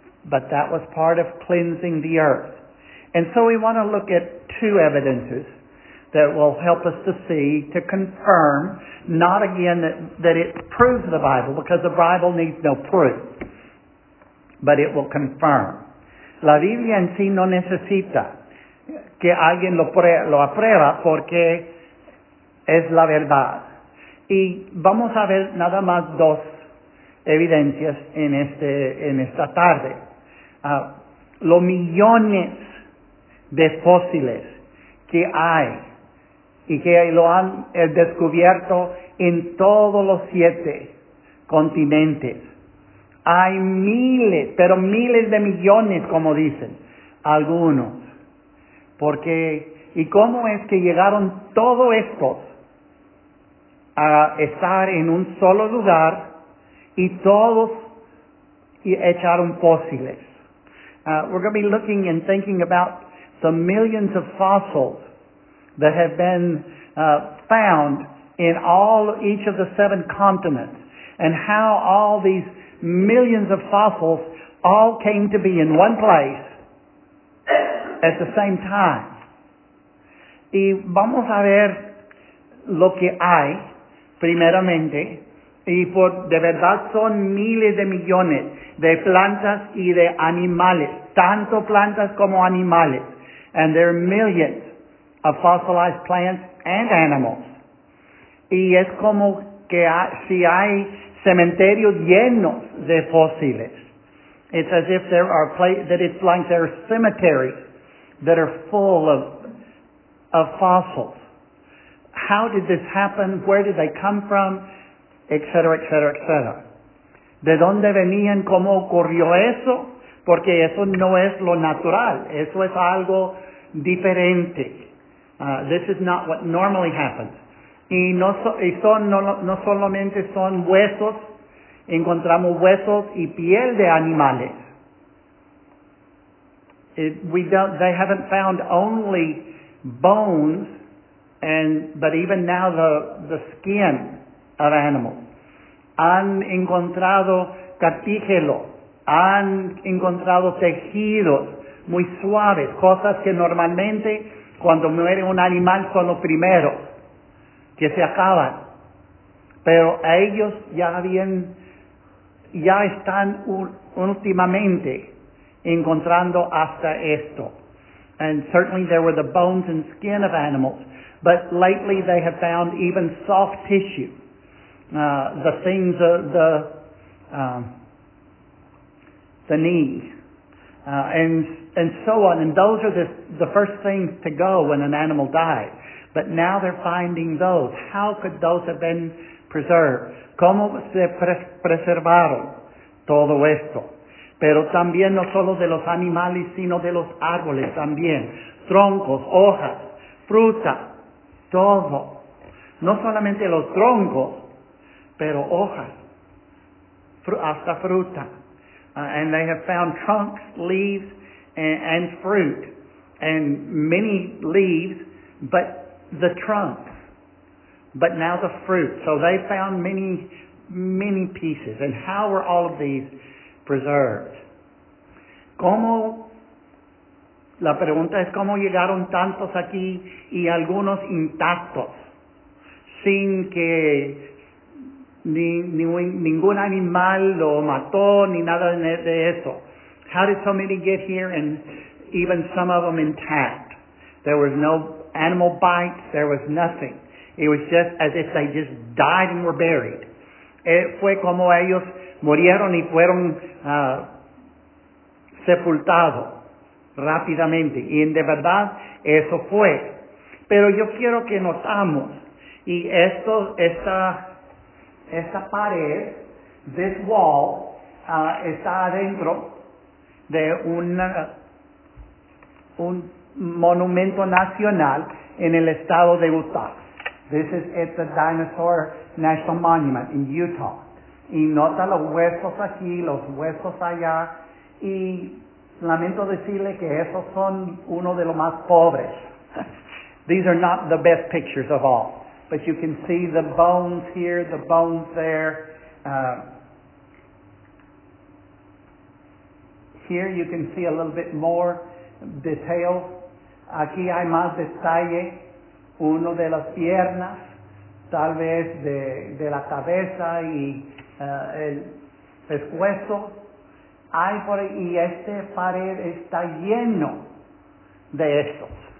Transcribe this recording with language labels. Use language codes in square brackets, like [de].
[en] But that was part of cleansing the earth. And so we want to look at two evidences that will help us to see, to confirm, not again that it proves the Bible, because the Bible needs no proof, but it will confirm. [es] La Biblia en sí no necesita que alguien lo aprueba, porque es la verdad. Y vamos a ver nada más dos evidencias en esta tarde. Los millones de fósiles que hay y que lo han descubierto en todos los siete continentes. Hay miles, pero miles de millones, como dicen algunos. Porque, ¿y cómo es que llegaron todos estos a estar en un solo lugar y todos echaron fósiles? [en] We're going to be looking and thinking about the millions of fossils that have been found in each of the seven continents, and how all these millions of fossils all came to be in one place at the same time. [es] Y vamos a ver lo que hay primeramente, y de verdad son miles de millones de plantas y de animales, tanto plantas como animales. [en] And there are millions of fossilized plants and animals. [es] Y es como que si hay cementerios llenos de fósiles. [en] It's as if there are there are cemeteries that are full of fossils. how did this happen, where did they come from, etc., etc., etc. [es] ¿De dónde venían? ¿Cómo ocurrió eso? Porque eso no es lo natural. Eso es algo diferente. [en] This is not what normally happens. [es] Y no solamente son huesos. Encontramos huesos y piel de animales. [en] They haven't found only bones, but even now the skin of animals. [es] Han encontrado cartílago, han encontrado tejidos muy suaves, cosas que normalmente cuando muere un animal son los primeros que se acaban. Pero ellos ya están últimamente encontrando hasta esto. [en] And certainly there were the bones and skin of animals, but lately they have found even soft tissue. The knee, and so on. And those are the first things to go when an animal died. But now they're finding those. How could those have been preserved? [es] ¿Cómo se preservaron todo esto? Pero también no solo de los animales, sino de los árboles también. Troncos, hojas, fruta, todo. No solamente los troncos, pero hojas, hasta fruta. [en] And they have found trunks, leaves, and fruit, and many leaves, but the trunks, but now the fruit. So they found many, many pieces. And how were all of these preserved? [es] ¿Cómo? La pregunta es, ¿cómo llegaron tantos aquí y algunos intactos sin que ningún animal lo mató ni nada de eso? [en] How did so many get here and even some of them intact? There was no animal bites, there was nothing. It was just as if they just died and were buried. [es] Fue como ellos murieron y fueron sepultados rápidamente. Y de verdad, eso fue. Pero yo quiero que notamos, y esta pared, [en] this wall, [es] está adentro de un monumento nacional en el estado de Utah. [en] This is at the Dinosaur National Monument in Utah. [es] Y nota los huesos aquí, los huesos allá. Y lamento decirle que esos son uno de los más pobres. [en] These are not the best pictures of all. But you can see the bones here, the bones there. Here you can see a little bit more detail. [es] Aquí hay más detalle. Uno de las piernas, tal vez de la cabeza y el pescuezo. Hay por ahí, y este pared está lleno de estos.